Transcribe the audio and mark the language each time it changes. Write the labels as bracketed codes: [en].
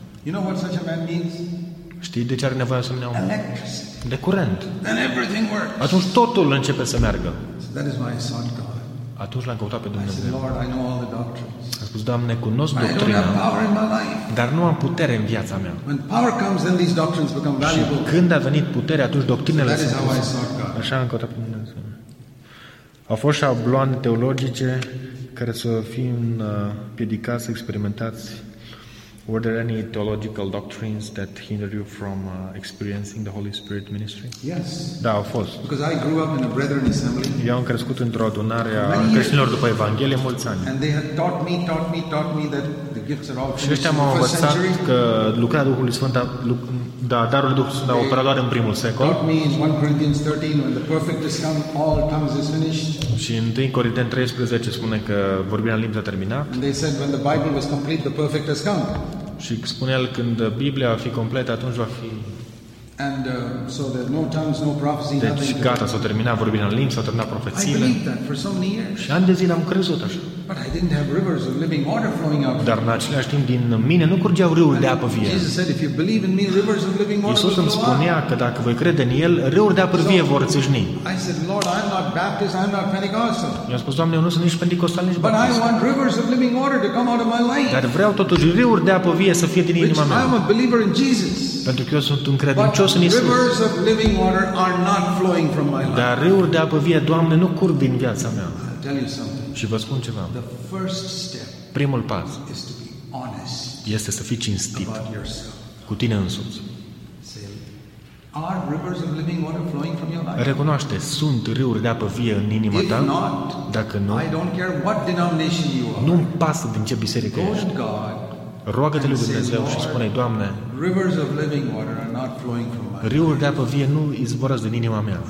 [en] You know what such a man needs? [ro] Știi de ce are nevoie să-mi iau? [en] Electricity. [ro] De curent. [en] Then everything works. [ro] Atunci totul începe să meargă. [en] So that is why I sought God. [ro] Atunci l-am căutat pe Dumnezeu. [en] Lord, I know all the doctrines. [ro] A spus, Doamne, cunosc doctrina, dar nu am putere în viața mea. [en] When power comes, then these doctrines become valuable. [ro] Și când a venit puterea, atunci doctrinele s-au pus. Așa am căutat pe Dumnezeu. Au fost șabloane teologice care să fie împiedicați, să experimentați. [en] Were there any theological doctrines that hinder you from experiencing the Holy Spirit ministry? Yes. [ro] Da, au fost. [en] Because I grew up in a brethren assembly. [ro] Eu am crescut într-o adunare a creștinilor după Evanghelie mulți ani. [en] And they had taught me that the gifts are all finished. [ro] Și ăștia m-au învățat că lucrarea Duhului Sfânt, darul Duhului Sfânt a operat doar în primul secol. [en] Taught me in 1 Corinthians 13, when the perfect is come, all tongues is finished. [ro] Și în 1 Corinteni 13 spune că vorbirea în limbi a terminat. [en] And they said when the Bible was complete, the perfect has come. [ro] Și spune el, când Biblia va fi completă, atunci va fi. [en] And so that no tongues, no prophecy, [ro] deci gata, s-a terminat vorbirea în limbi, s-au terminat profețiile. Și ani de zile am crezut așa. [en] But I didn't have rivers of living water flowing out. [ro] Dar în același timp din mine nu curgeau râuri de apă vie. [en] Jesus said, if you believe in me, rivers of living water. Iisus [ro] îmi spunea că dacă voi crede în el, râuri de apă vie vor țâșni. [en] I said, Lord, I'm not Baptist, I'm not Pentecostal. [ro] I-am spus, Doamne, eu nu sunt nici pentecostal, nici baptist. [en] But I want rivers of living water to come out of my life. [ro] Dar vreau totuși râuri de apă vie să fie din inima mea. [en] I am a believer in Jesus. [ro] Pentru că eu sunt un credincios în Iisus. [en] Rivers of living water are not flowing from my life. [ro] Dar râuri de apă vie, Doamne, nu curg din viața mea. [en] Tell you something. [ro] Și vă spun ceva. [en] The first step. [ro] Primul pas. [en] Is to be honest. [ro] Este să fii cinstit. [en] About yourself. [ro] Cu tine însuți. [en] Say, are rivers of living water flowing from your life? [ro] Recunoaște, sunt râuri de apă vie în inima ta? [en] If not, [ro] dacă nu, [en] I don't care what denomination you are. [ro] Nu-mi pasă din ce biserică [en] go [ro] ești. [en] God. [ro] Roagă-te lui Dumnezeu și spune, Doamne, [en] rivers of living water are not flowing from my. [ro] Râuri de apă vie nu izvorăsc din inima mea.